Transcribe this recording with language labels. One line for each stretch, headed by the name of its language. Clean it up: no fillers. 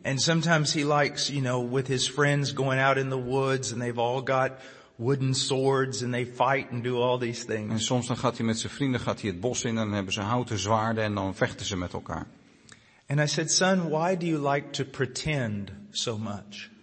English: And sometimes he likes, you know, with his friends going out in the woods and they've all got wooden swords and they fight and do all these things.
Dutch: En soms dan gaat hij met zijn vrienden gaat hij het bos in en dan hebben ze houten zwaarden en dan vechten ze met elkaar.
English: And I said, son, why do you like to pretend so much?